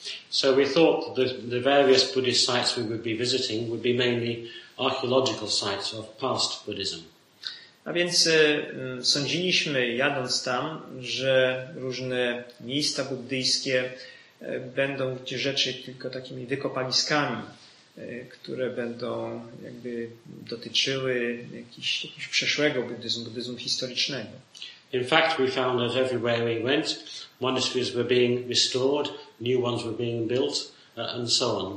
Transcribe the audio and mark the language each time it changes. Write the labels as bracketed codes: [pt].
[en] So we thought the various Buddhist sites we would be visiting would be mainly archaeological sites of past Buddhism. [pl] A więc sądziliśmy, jadąc tam, że różne miejsca buddyjskie będą gdzie rzeczy tylko takimi wykopaliskami, które będą jakby dotyczyły jakiegoś przeszłego buddyzmu historycznego. [en] In fact, we found that everywhere we went, monasteries were being restored, new ones were being built, and so on.